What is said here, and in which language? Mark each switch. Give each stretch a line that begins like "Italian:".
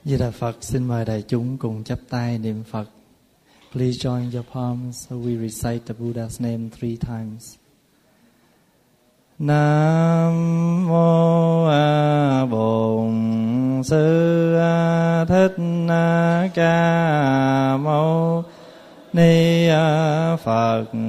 Vietnamese: Di Đà Phật, xin mời đại chúng cùng chắp tay niệm Phật.
English: Please join your palms so we recite the Buddha's name three times.
Vietnamese: Nam mô A Bổn Sư Thích Ca Mâu Ni Phật.